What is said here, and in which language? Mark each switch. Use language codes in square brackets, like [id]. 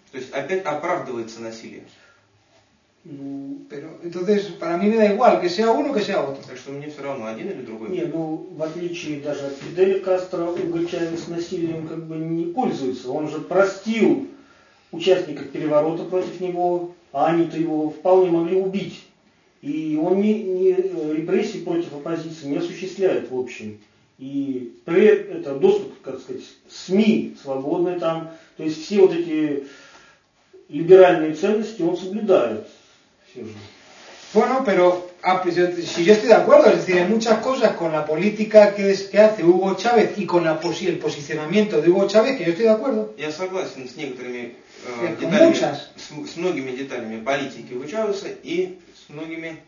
[ru] То есть, опять оправдывается насилие. [es] Pero entonces para mí me da igual que sea uno que sea otro. [ru] Так что мне все равно один или другой. Не, ну в отличие даже от Фиделя Кастро, Уго Чавес насилием как бы не пользуется. Он же простил участников переворота против него, а они-то его вполне могли убить. И он не репрессии против оппозиции не осуществляет в общем. И это доступ, как сказать, СМИ свободный там. То есть все вот эти либеральные ценности он соблюдает. [es] Bueno, pero si yo estoy de acuerdo, es decir, hay muchas cosas con la política que hace Hugo Chávez y con el posicionamiento de Hugo Chávez que yo estoy de acuerdo. [ru] Я согласен с некоторыми деталями, с многими деталями политики Hugo Chávez и с многими.